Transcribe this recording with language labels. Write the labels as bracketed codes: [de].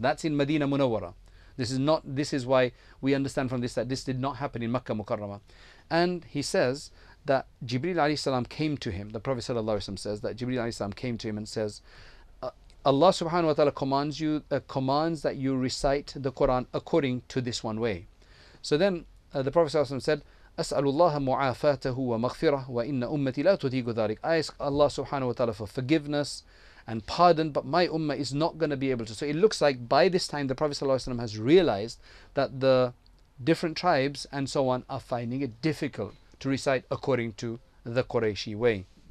[en] That's in Medina Munawwara. This is why we understand from this that this did not happen in Makkah Mukarrama. And he says that Jibreel alayhi salam came to him. The Prophet sallallahu alayhi wasallam says that Jibreel alayhi salam came to him and says, Allah subhanahu wa ta'ala commands that you recite the Quran according to this one way. So then the Prophet sallallahu alayhi wasallam said, [ar] أسأل الله معافاته ومغفرة وإن أمتي لا تطيق ذلك. [en] I ask Allah subhanahu wa ta'ala for forgiveness and pardon, but my ummah is not going to be able to. So it looks like by this time the Prophet sallallahu alaihi wasallam has realized that the different tribes and so on are finding it difficult to recite according to the Qurayshi way.